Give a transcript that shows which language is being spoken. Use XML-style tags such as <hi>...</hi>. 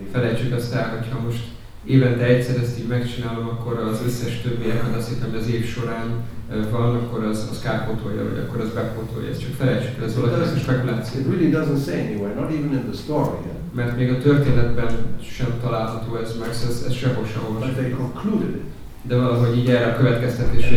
<hu>Felejtsük azt el, hogy ha most évente egyszer ezt így megcsinálom, akkor az összes többi ekadaszit, ami az év során van, akkor az kárpótolja, vagy akkor az bepótolja. Ezt csak felejtsük, ez valaki ez a spekuláció.</hu> <en>It really doesn't say anywhere, not even in the story.</en> <hu>Mert még a történetben sem található ez meg, ez sehol sem olvasható.</hu> <en>But they concluded it.</en> <hu>De valahogy így erre a következtetésre</hu>